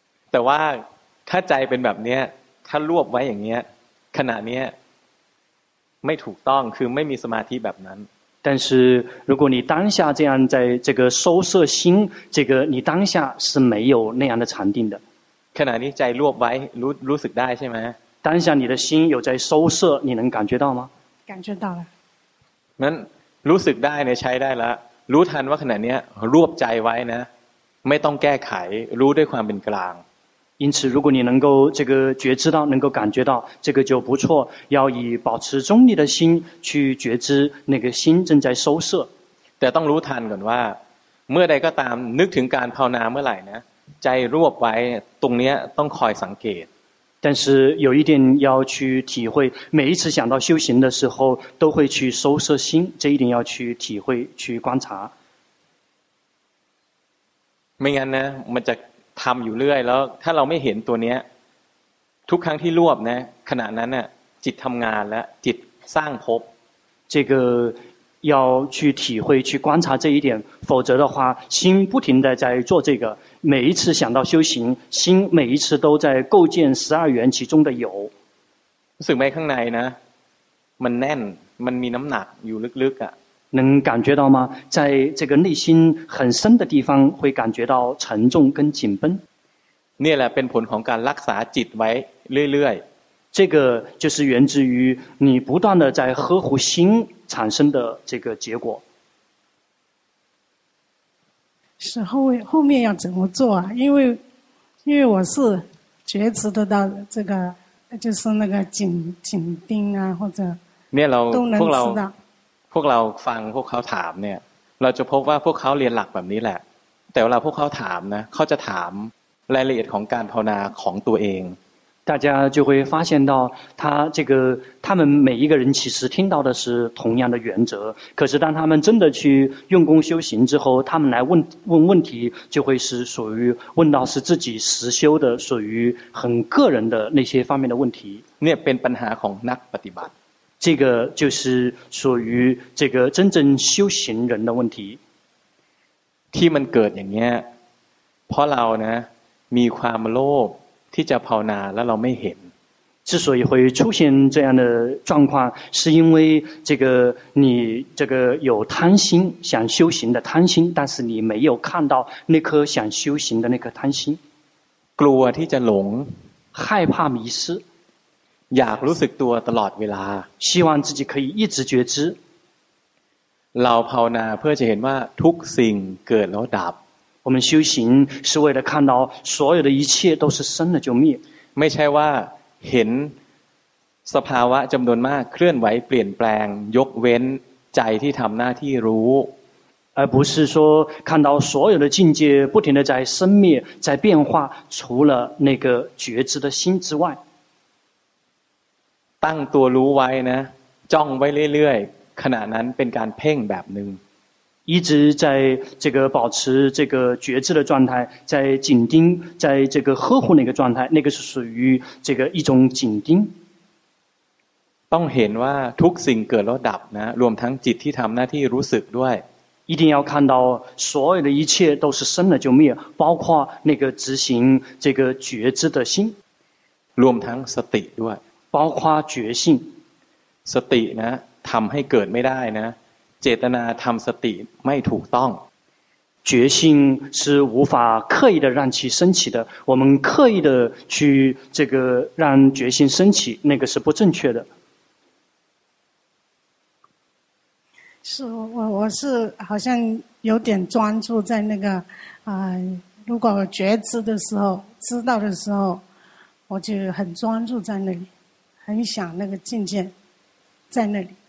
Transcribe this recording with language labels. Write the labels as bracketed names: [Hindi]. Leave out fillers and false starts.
[Thai] แต่ว่าถ้าใจเป็นแบบนี้ถ้ารวบไว้อย่างเงี้ยขณะนี้ไม่ถูกต้องคือไม่มีสมาธิแบบนั้น [Chinese] 但是如果你当下这样在这个收摄心这个你当下是没有那样的禅定的 [Thai] ขณะนี้ใจรวบไว้รู้สึกได้ใช่ไหม [Chinese] 当下你的心有在收摄你能感觉到吗感觉到了 [Thai] มันรู้สึกได้เนี่ยใช้ได้แล้วรู้ทันว่าขณะนี้รวบใจไว้นะไม่ต้องแก้ไขรู้ด้วยความเป็นกลาง [Chinese] 因此如果你能够这个觉知到能够感觉到这个就不错要以保持中立的心去觉知那个心正在收摄 [Thai] แต่ต้องรู้ทันก่อนว่าเมื่อใดก็ตามนึกถึงการภาวนาเมื่อไหร่นะใจรวบไว้ตรงนี้ต้องคอยสังเกต [Chinese] 但是有一点要去体会每一次想到修行的时候都会去收摄心这一点要去体会去观察 [Thai] ไม่งั้นนะมันจะทำอยู่เรื่อยแล้วถ้าเราไม่เห็นตัวนี้ทุกครั้งที่รวบนะขณะนั้นน่ะจิตทำงานแล้วจิตสร้างภพ [Chinese] 这个要去体会去观察这一点否则的话心不停的在做这个每一次想到修行心每一次都在构建十二缘其中的有 [Thai] รู้สึกไหมข้างในนะมันแน่นมันมีน้ำหนักอยู่ลึกๆอ่ะ [Chinese] 能感觉到吗在这个内心很深的地方会感觉到沉重跟紧绷 [Thai] นี่แหละเป็นผลของการรักษาจิตไว้เรื่อย [Chinese] ๆ这个就是源自于你不断的在呵护心产生的这个结果是后面要怎么做啊因为我是觉知得到这个就是那个紧盯啊或者都能知道 [Thai] พวกเราฟังพวกเขาถามเนี่ยเราจะพบว่าพวกเขาเรียนหลักแบบนี้แหละแต่เวลาพวกเขาถามนะเขาจะถามรายละเอียดของการภาวนาของตัวเอง [Chinese] 大家就会发现到他这个他们每一个人其实听到的是同样的原则可是当他们真的去用功修行之后他们来问问题就会是属于问到是自己实修的属于很个人的那些方面的问题 [Thai] เนี่ยเป็นปัญหาของนักปฏิบัติ [Chinese] 这个就是属于这个真正修行人的问题 [Thai] ที่มันเกิดอย่างเงี้ยเพราะเรานะมีความโลภที่จะภาวนาแล้วเราไม่เห็น [Chinese] 之所以会出现这样的状况是因为这个你这个有贪心想修行的贪心但是你没有看到那颗想修行的那颗贪心 [Thai] กลัวที่จะหลง [Chinese] 害怕迷失 [Thai] อยากรู้สึกตัวตลอดเวลา [Chinese] 希望自己可以一直觉知 [Thai] เราภาวนาเพื่อจะเห็นว่าทุกสิ่งเกิดแล้วดับ [Chinese] 我们修行是为了看到所有的一切都是生了就灭 [Thai] ไม่ใช่ว่าเห็นสภาวะจำนวนมากเคลื่อนไหวเปลี่ยนแปลงยกเว้นใจที่ทำหน้าที่รู้ [Chinese] 而不是说看到所有的境界不停的在生灭在变化除了那个觉知的心之外 [Thai] ตั้งตัวรู้ไว้นะจ้องไว้เรื่อยๆขณะนั้นเป็นการเพ่งแบบนึง [Chinese] 一直在这个保持这个觉知的状态在紧盯在这个呵护那个状态那个是属于这个一种紧盯 [Thai] ต้องเห็นว่าทุกสิ่งเกิดแล้วดับนะรวมทั้งจิตที่ทำหน้าที่รู้สึกด้วย [Chinese] 一定要看到所有的一切都是生了就灭包括那个执行这个觉知的心 [Thai] รวมทั้งสติด้วย [Chinese] 包括觉性 [Thai] สตินะทำให้เกิดไม่ได้นะเจตนาทำสติไม่ถูกต้อง [Chinese] 觉性是无法刻意的让其升起的我们刻意的去这个让觉性升起那个是不正确的是我是好像有点专注在那个如果觉知的时候知道的时候我就很专注在那里很想那个境界在那里